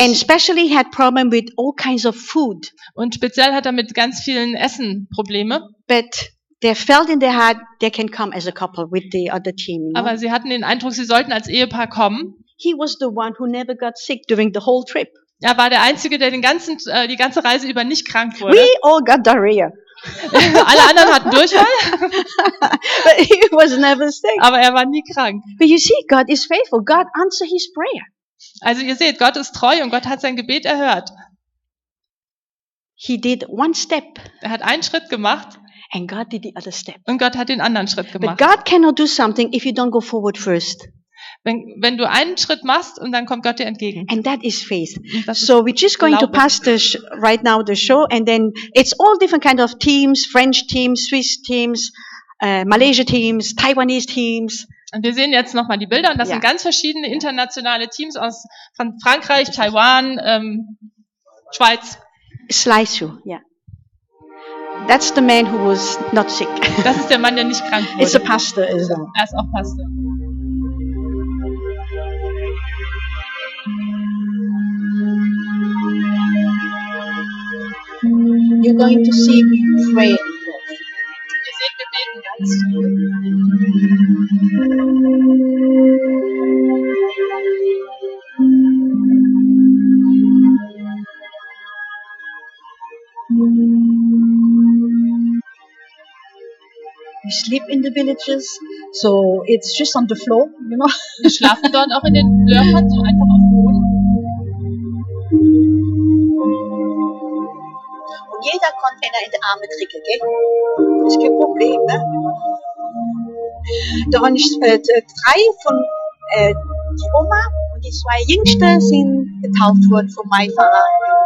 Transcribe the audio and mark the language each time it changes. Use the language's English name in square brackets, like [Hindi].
[English] And especially had problem with all kinds of food. [German] Und speziell hat er mit ganz vielen Essen Probleme. [English] But they felt in their heart they can come as a couple with the other team. You know? [German] Aber sie hatten den Eindruck, sie sollten als Ehepaar kommen. [English] He was the one who never got sick during the whole trip. [German] Er war der Einzige, der die ganze Reise über nicht krank wurde. [English] We all got diarrhea. [German] Alle anderen hatten Durchfall. [English] But he was never sick. [German] Aber er war nie krank. [English] But you see, God is faithful. God answered his prayer. [German] Also ihr seht, Gott ist treu und Gott hat sein Gebet erhört. [English] He did one step. [German] Er hat einen Schritt gemacht. [English] And God did the other step. [German] Und Gott hat den anderen Schritt gemacht. [English] But God cannot do something if you don't go forward first. [German] Wenn du einen Schritt machst und dann kommt Gott dir entgegen. [English] And that is faith. So we're just going to pass right now the show and then it's all different kind of teams, French teams, Swiss teams, Malaysia teams, Taiwanese teams. [German] Und wir sehen jetzt nochmal die Bilder und das sind ganz verschiedene internationale Teams aus von Frankreich, Taiwan, Schweiz. [English] Slice you, yeah. That's the man who was not sick. [German] Das ist der Mann, der nicht krank wurde. [English] It's a pastor, is it? [German] Er ist auch Pastor. [English] You're going to see me pray. [German] Wir sehen, wir beten ganz. [English] We sleep in the villages, so it's just on the floor, you know. [German] Wir schlafen dort auch in den Dörfern, so einfach auf dem Boden. Und jeder kommt, wenn er in die Arme kriegt, gell? Okay? Ist kein Problem, ne? Da haben ich drei von die Oma und die zwei Jüngsten sind getauft worden von meinem Verein.